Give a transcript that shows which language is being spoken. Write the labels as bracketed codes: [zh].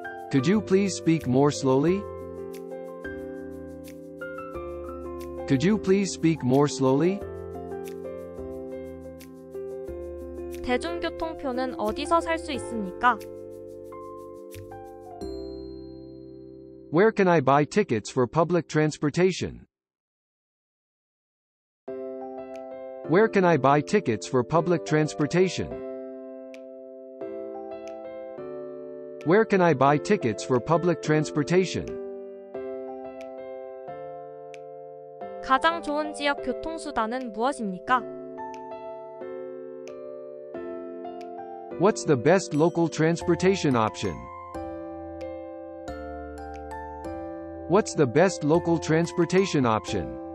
[en] Could you please speak more slowly? Could you please speak more slowly? [ko] 대중교통표는 어디서 살 수 있습니까? [en] Where can I buy tickets for public transportation? Where can I buy tickets for public transportation? Where can I buy tickets for public transportation? [ko] 가장 좋은 지역 교통수단은 무엇입니까? [en] What's the best local transportation option? What's the best local transportation option?